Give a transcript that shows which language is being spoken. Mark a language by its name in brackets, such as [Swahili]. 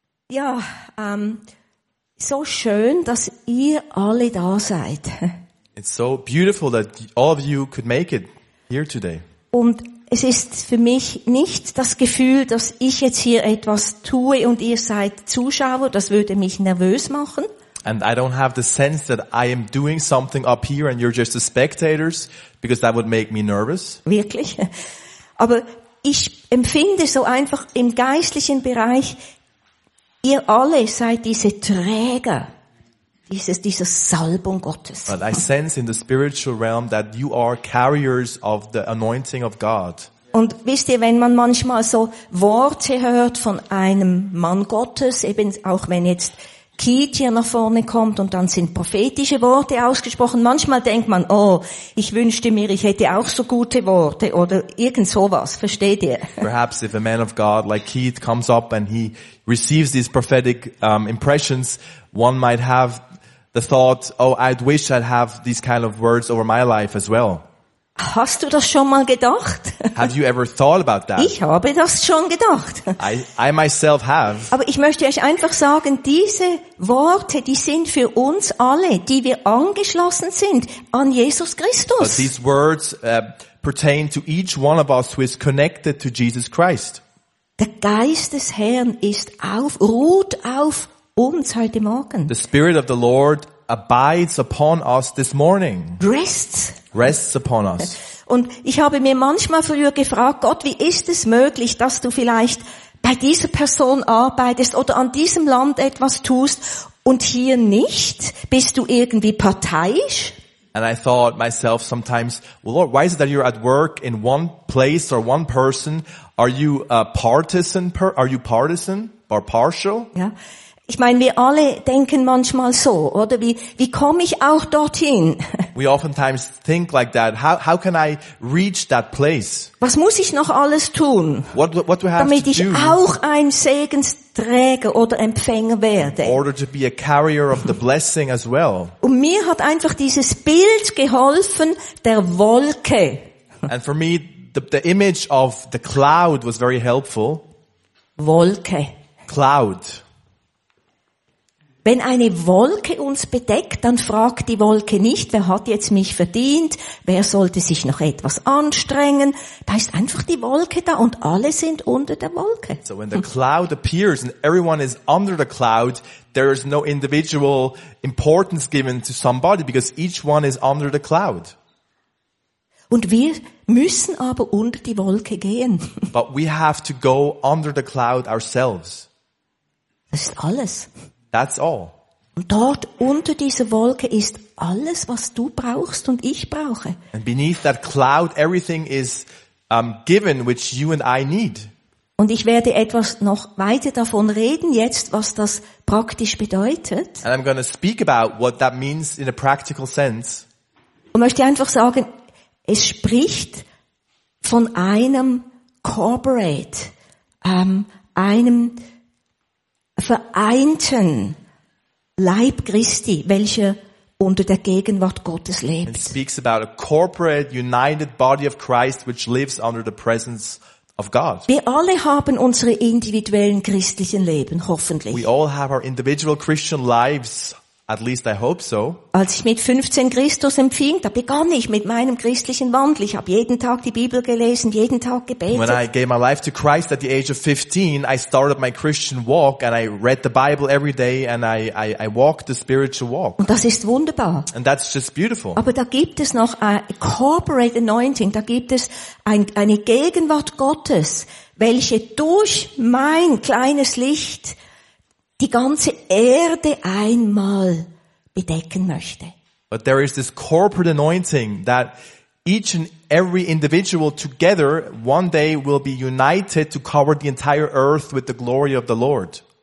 [German] Ja, so schön, dass ihr alle da seid. [English] It's so beautiful that all of you could make it here today. [German] Und es ist für mich nicht das Gefühl, dass ich jetzt hier etwas tue und ihr seid Zuschauer, das würde mich nervös machen. [English] And I don't have the sense that I am doing something up here and you're just the spectators, because that would make me nervous. [German] Wirklich? Aber ich empfinde so einfach im geistlichen Bereich, ihr alle seid diese Träger dieser Salbung Gottes. [English] But I sense in the spiritual realm that you are carriers of the anointing of God. [German] Und wisst ihr, wenn man manchmal so Worte hört von einem Mann Gottes, eben auch wenn jetzt Kiet hier nach vorne kommt und dann sind prophetische Worte ausgesprochen, manchmal denkt man, oh, ich wünschte mir, ich hätte auch so gute Worte oder irgend sowas, versteht ihr? [English] Perhaps if a man of God like Kiet comes up and he receives these prophetic impressions, one might have the thought, oh, I'd wish I'd have these kind of words over my life as well. [German] Hast du das schon mal gedacht? [English] Have you ever thought about that? [German] Ich habe das schon gedacht. [English] I myself have. [German] Aber ich möchte euch einfach sagen, diese Worte, die sind für uns alle, die wir angeschlossen sind an Jesus Christus. [English] But these words pertain to each one of us who is connected to Jesus Christ. [German] Der Geist des Herrn ruht auf uns heute Morgen. [English] The Spirit of the Lord abides upon us this morning. Rests upon us. [German] Und ich habe mir manchmal früher gefragt, Gott, wie ist es möglich, dass du vielleicht bei dieser Person arbeitest oder an diesem Land etwas tust und hier nicht? Bist du irgendwie parteiisch? [English] And I thought myself sometimes, well, Lord, why is it that you're at work in one place or one person? Are you a partisan? Are you partisan or partial? [German] Ja. Ich meine, wir alle denken manchmal so, oder? Wie komme ich auch dorthin? [English] We oftentimes think like that. How can I reach that place? [German] Was muss ich noch alles tun? [English] What do I have [German] damit [English] to [German] ich [English] do? [German] Auch ein Segensträger oder Empfänger werde? [English] In order to be a carrier of the blessing as well. [German] Und mir hat einfach dieses Bild geholfen der Wolke. [English] And for me, the image of the cloud was very helpful. [German] Wolke. [English] Cloud. [German] Wenn eine Wolke uns bedeckt, dann fragt die Wolke nicht, wer hat jetzt mich verdient, wer sollte sich noch etwas anstrengen. Da ist einfach die Wolke da und alle sind unter der Wolke. [English] So when the cloud appears and everyone is under the cloud, there is no individual importance given to somebody, because each one is under the cloud. [German] Und wir müssen aber unter die Wolke gehen. [English] But we have to go under the cloud ourselves. [German] Das ist alles. [English] That's all. [German] Und dort unter dieser Wolke ist alles, was du brauchst und ich brauche. [English] And beneath that cloud, everything is given, which you and I need. [German] Und ich werde etwas noch weiter davon reden jetzt, was das praktisch bedeutet. [English] And I'm going to speak about what that means in a practical sense. [German] Und möchte einfach sagen, es spricht von einem corporate, einem vereinten Leib Christi, welcher unter der Gegenwart Gottes lebt. [English] It speaks about a corporate, united body of Christ, which lives under the presence of God. [German] Wir alle haben unsere individuellen christlichen Leben, hoffentlich. [English] We all have our individual Christian lives, at least I hope so. [German] Als ich mit 15 Christus empfing, da begann ich mit meinem christlichen Wandel. Ich habe jeden Tag die Bibel gelesen, jeden Tag gebetet. [English] When I gave my life to Christ at the age of 15, I started my Christian walk and I read the Bible every day and I walked the spiritual walk. [German] Und das ist wunderbar. [English] And that's just beautiful. [German] Aber da gibt es noch ein [English] corporate anointing, [German] da gibt es eine Gegenwart Gottes, welche durch mein kleines Licht die ganze Erde einmal bedecken möchte. [English] But there is this corporate anointing that each and every individual together one day will be united to cover the entire earth with the glory of the Lord.